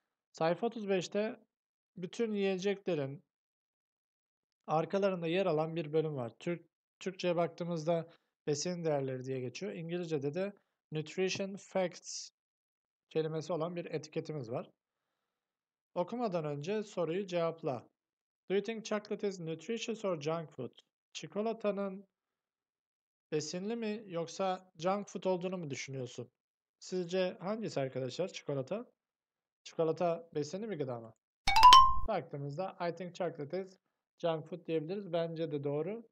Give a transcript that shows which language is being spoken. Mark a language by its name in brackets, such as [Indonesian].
[Turkish] Sayfa 35'te bütün yiyeceklerin arkalarında yer alan bir bölüm var. Türkçe'ye baktığımızda besin değerleri diye geçiyor. İngilizce'de de nutrition facts kelimesi olan bir etiketimiz var. Okumadan önce soruyu cevapla. [English] Do you think chocolate is nutritious or junk food? [Turkish] Çikolatanın besinli mi yoksa junk food olduğunu mu düşünüyorsun? Sizce hangisi arkadaşlar çikolata? Çikolata besinli bir gıda mı? Baktığımızda [English] I think chocolate is junk food [Turkish] diyebiliriz. Bence de doğru.